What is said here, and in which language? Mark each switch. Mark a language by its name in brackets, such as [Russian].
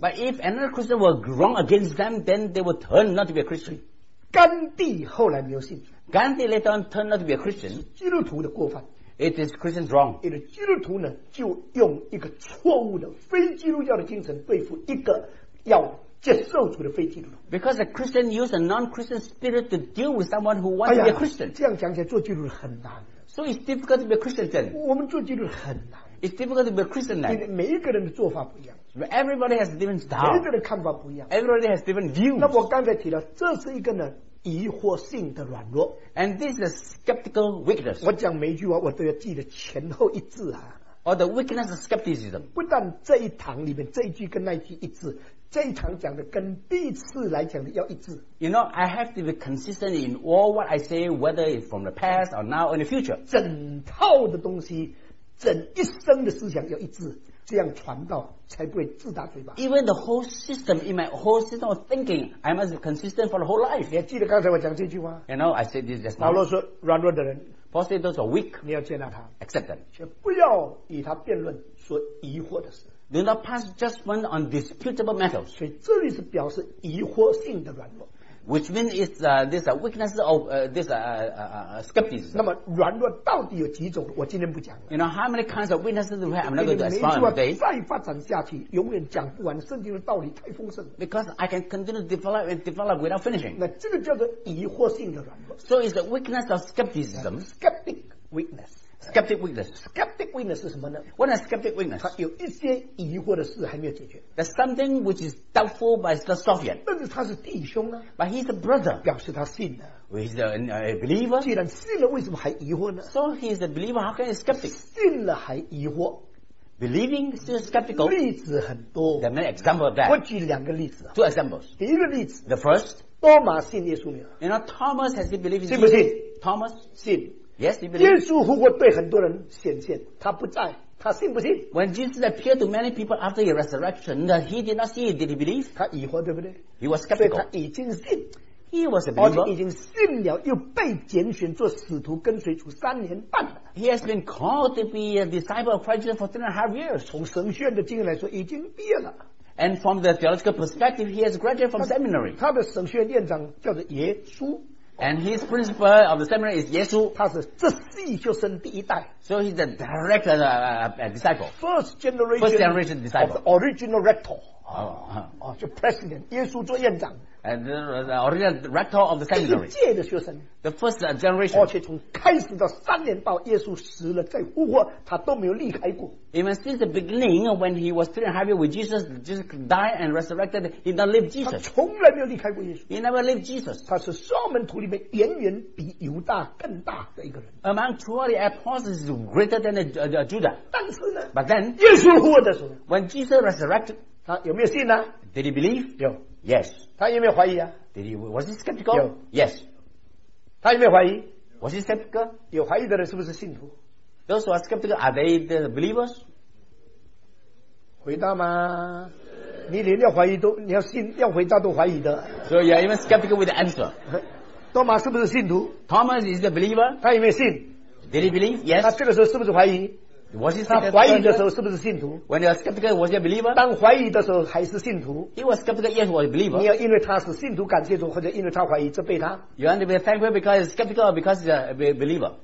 [English] But if another Christian were wrong against them, then they would turn not to be a Christian. [Chinese] 甘地后来没有信主。 [English] Gandhi later on turned not to be a Christian. [Chinese] 基督徒的过犯。 [English] It is Christian's wrong. [Chinese] 基督徒呢，就用一个错误的非基督教的精神对付一个要接受主的非基督徒。 [English] Because a Christian uses a non-Christian spirit to deal with someone who wants to be a Christian. [Chinese] 这样讲起来，做基督徒很难。 [English] So it's difficult to be a Christian then. [Chinese] 我们做基督徒很难。 [English] It's difficult to be a Christian then. [Chinese] 每一个人的做法不一样。 [English] Everybody has a different style. [Chinese] 每一个人的看法不一样。 [English] Everybody has different views. [Chinese] 那我刚才提到，这是一个呢。疑惑性的软弱 [English] and this is a skeptical weakness. [Chinese] 我讲每一句话我都要记得前后一致啊。 [English] Or the weakness of skepticism. [Chinese] 不但这一堂里面这一句跟那一句一致，这一堂讲的跟第一次来讲的要一致。 [English] You know, I have to be consistent in all what I say, whether it's from the past or now or in the future. [Chinese] 整套的东西，整一生的思想要一致。这样传道才不会自打嘴巴。 [English] Even the whole system, in my whole system of thinking, I must be consistent for the whole life. [Chinese] 你还记得刚才我讲这句话？ [English] You know, I said this just now. [Chinese] 保罗说，软弱的人， [English] Paul said those are weak. [Chinese] 你要接纳他， [English] accept them. [Chinese] 却不要与他辩论所疑惑的事。 [English] Do not pass judgment on disputable matters. [Chinese] 所以这里是表示疑惑性的软弱。 [English] Which means it's this weakness of skepticism. [Chinese] 那么软弱到底有几种？我今天不讲了。 [English] You know how many kinds of weaknesses do we have? I'm not going to explain today. [Chinese] 再发展下去，永远讲不完。圣经的道理太丰盛了。 [English] Because I can continue to develop and develop without finishing. [Chinese] 那这个叫做疑惑性的软弱。 [English] So it's the weakness of skepticism. Skeptic weakness. Skeptic weakness. Skeptic weakness [Chinese] 是什么呢？ [English] What is skeptic weakness? [Chinese] 它有一些疑惑的事还没有解决。 [English] There's something which is doubtful but it's not solved yet. [Chinese] 但是他是弟兄啊。 [English] But he's a brother. [Chinese] 表示他信啊。 [English] He's a believer. [Chinese] 既然信了，为什么还疑惑呢？ [English] So he's a believer. How can he be skeptic? [Chinese] 信了还疑惑。 [English] Believing still skeptical. [Chinese] 例子很多。 [English] There are many examples of that. [Chinese] 我举两个例子。 [English] Two examples. [Chinese] 第一个例子。 [English] The first. [Chinese] 多马信耶稣没有？ [English] You know Thomas has he believed in [Chinese] Jesus? 信不信？ [English] Thomas [Chinese] 信。 [English] Yes, he believes. [Chinese] 耶稣复活对很多人显现，他不在，他信不信 [English] ？When Jesus appeared to many people after his resurrection, that he did not see, did he believe? [Chinese] 他疑惑，对不对 [English] ？He was skeptical. [Chinese] 所以他已经信 [English] ，He was a believer. [Chinese] 而且已经信了，又被拣选做使徒，跟随主三年半。 [English] He has been called to be a disciple of Christ for 3.5 years. [Chinese] 从神学院的经验来说，已经毕业了。 [English] And from the theological perspective, he has graduated from seminary. [Chinese] 他的神学院院长叫做耶稣。 [English] And his principal of the seminary is 耶稣， [Chinese] 他是这系就生第一代。 [English] So he's the direct disciple. First generation disciple. Of the original rector. [Chinese] 就 [English] president. [Chinese] 耶稣做院长。 [English] And the original rector of the seminary. [Chinese] 第一届的学生。 [English] The first generation. [Chinese] 而且从开始到三年到耶稣死了再复活，他都没有离开过。 [English] Even since the beginning, when he was 3.5 years with Jesus, Jesus died and resurrected, he did not leave Jesus. [Chinese] 他从来没有离开过耶稣。 [English] He never left Jesus. [Chinese] 他是十二门徒里面远远比犹大更大的一个人。 [English] Among 12 the apostles, greater than Judah. [Chinese] 但是呢 [English] ，But then, [Chinese] 耶稣复活的时候 [English] ，When Jesus resurrected, [Chinese] 他有没有信呢 [English] ？Did he believe? [Chinese] 有。 [English] Yes. [Chinese] 他有没有怀疑啊 [English] ？Did he? Was he skeptical? [Chinese] 有。 [English] Yes. [Chinese] 他有没有怀疑 [English] ？Was he skeptical? [Chinese] 有怀疑的人是不是信徒 [English] ？Those who are skeptical, are they the believers? [Chinese] 回答吗？你连要怀疑都，你要信要回答都怀疑的。 [English] So you are even skeptical with the answer. [Chinese] 多马是不是信徒 [English] ？Thomas is the believer. [Chinese] 他有没有信 [English] ？Did he believe? Yes. [Chinese] 他这个时候是不是怀疑 [English] ？Was he skeptical? [Chinese] 他怀疑的时候是不是信徒 [English] ？When you are skeptical, was he a believer? [Chinese] 当怀疑的时候还是信徒 [English] ？He was skeptical, yes, was a believer. [Chinese] 你要因为他是信徒感谢主，或者因为他怀疑责备他 [English] ？You want to be thankful because he's skeptical or because he's a believer?